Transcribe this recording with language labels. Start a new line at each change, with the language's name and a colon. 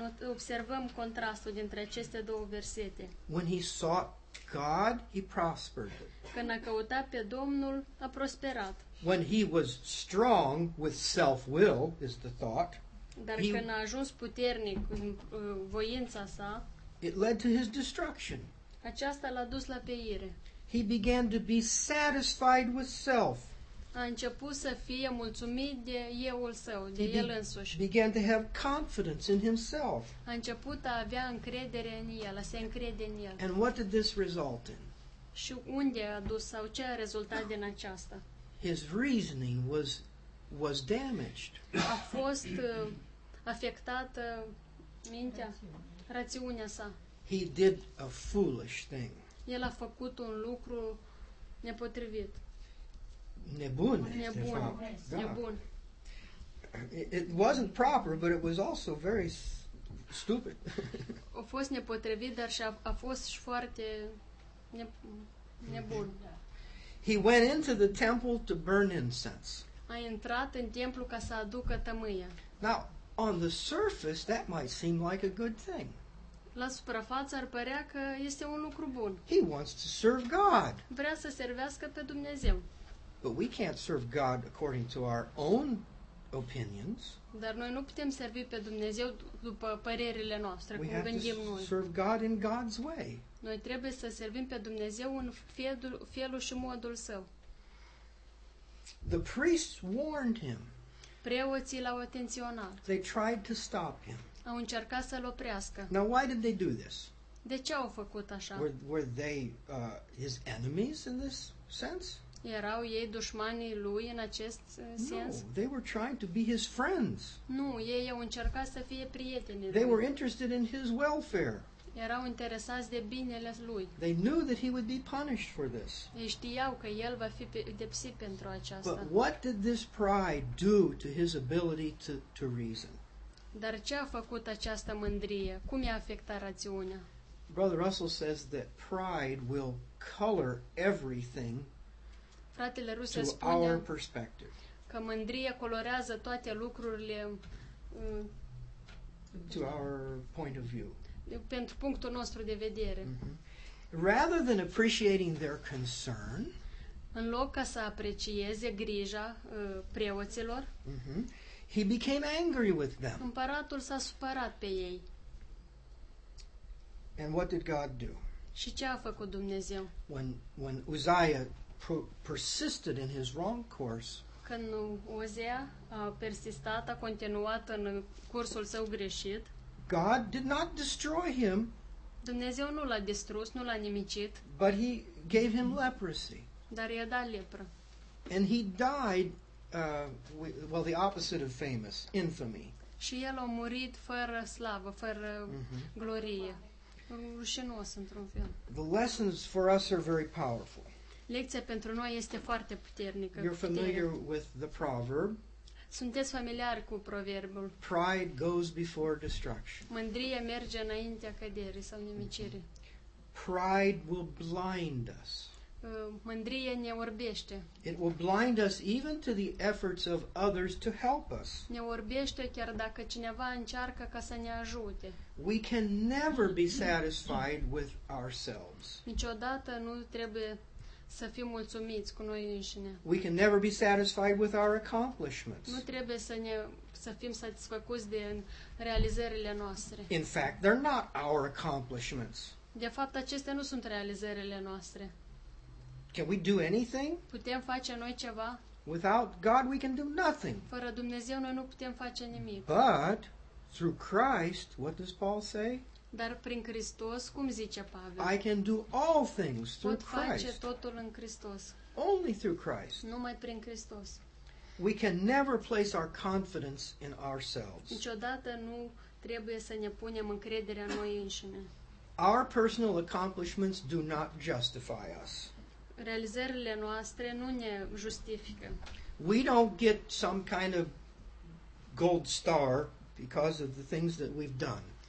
Romanian: observăm contrastul dintre aceste două versete.
English: When he sought God, he prospered.
Romanian: Când a căutat pe Domnul, a prosperat.
English: When he was strong with self-will, is the thought.
Romanian: Dar când a ajuns puternic în voința sa,
English: it led to his destruction.
Romanian: Aceasta l-a dus la pieire.
English: He began to be satisfied with self.
Romanian: A început să fie mulțumit de eu-ul său, de el însuși.
English: Began to have confidence in himself.
Romanian: A început să avea încredere în el, se încrede în el.
English: And what did this result in?
Romanian: Și unde a dus sau ce a rezultat din aceasta?
English: His reasoning was damaged.
Romanian: A fost afectată mintea, rațiunea sa.
English: He did a foolish thing.
Romanian: El a făcut un lucru nepotrivit. Nebun. Nebun.
English: It wasn't proper, but it was also very stupid.
Romanian: A fost nepotrivit, dar și a fost și foarte nebun.
English: He went into the temple to burn incense.
Romanian: A intrat în templu ca să aducă tămâie.
English: Now, on the surface, that might seem like a good thing.
Romanian: La suprafață ar părea că este un lucru bun.
English: He wants to serve God.
Romanian: Vrea să servească pe Dumnezeu.
English: But we can't serve God according to our own opinions.
Romanian: Dar noi nu putem servi pe Dumnezeu după părerile noastre,
English: we
Romanian: cum gândim noi.
English: We have to serve God in God's way.
Romanian: Noi trebuie să servim pe Dumnezeu în felul și modul său.
English: The priests warned him.
Romanian: Preoții l-au atenționat.
English: They tried to stop him.
Romanian: Au încercat să-l oprească.
English: Now why did they do this?
Romanian: De ce au făcut așa?
English: Were they his enemies in this sense?
Romanian: Erau ei dușmanii lui în acest sens?
English: No, they were trying to be his friends.
Romanian: Nu, ei au încercat să fie prieteni.
English: They were interested in his welfare.
Romanian: Erau interesați de binele lui.
English: They knew that he would be punished for this.
Romanian: Ei știau că el va fi pedepsit pentru aceasta.
English: But what did this pride do to his ability to reason?
Romanian: Dar ce a făcut această mândrie? Cum i-a afectat rațiunea?
English: Brother Russell says that pride will color everything.
Romanian: Fratele Rusia
English: to
Romanian: spunea
English: our perspective.
Romanian: Că mândria colorează toate lucrurile
English: to our point of view.
Romanian: Pentru punctul nostru de vedere.
English: Mm-hmm. Rather than appreciating their concern,
Romanian: în loc ca să aprecieze grija preoților,
English: mm-hmm, he became angry with them.
Romanian: Împăratul s-a supărat pe ei.
English: And what did God do?
Romanian: Și ce a făcut Dumnezeu?
English: When Uzziah persisted in his wrong course.
Romanian: Când Ozea a persistat, a continuat în cursul său greșit.
English: God did not destroy him.
Romanian: Dumnezeu nu l-a distrus, nu l-a nimicit.
English: But he gave him leprosy.
Romanian: Dar i-a dat lepră.
English: And he died the opposite of famous, infamy.
Romanian: Și el a murit fără slavă, fără glorie. Rușinos într-un fel.
English: The lessons for us are very powerful.
Romanian: Lecția pentru noi este foarte puternică.
English: You're familiar with the proverb.
Romanian: Sunteți familiar cu proverbul.
English: Pride goes before destruction.
Romanian: Mândria merge înaintea căderii sau nimicirii.
English: Mm-hmm. Pride will blind us.
Romanian: Mândria ne orbește.
English: It will blind us even to the efforts of others to help us.
Romanian: Ne orbește chiar dacă cineva încearcă ca să ne ajute.
English: We can never be satisfied with ourselves.
Romanian: Niciodată nu trebuie să fim mulțumiți cu noi înșine.
English: We can never be satisfied with our accomplishments.
Romanian: Nu trebuie să fim satisfăcuți de realizările noastre.
English: In fact, they're not our accomplishments.
Romanian: De fapt, acestea nu sunt realizările noastre.
English: Can we do anything?
Romanian: Putem face noi ceva?
English: Without God, we can do nothing.
Romanian: Fără Dumnezeu, noi nu putem face nimic.
English: But through Christ, what does Paul say?
Romanian: Dar prin Hristos, cum zice Pavel?
English: I can do all things through Christ.
Romanian: Pot face totul în Hristos.
English: Only through Christ.
Romanian: Numai prin Hristos.
English: We can never place our confidence in ourselves.
Romanian: Niciodată nu trebuie să ne punem încrederea noi înșine.
English: Our personal accomplishments do not justify us.
Romanian: Realizările noastre nu ne justifică.
English: We don't get some kind of gold star because of the things that we've done.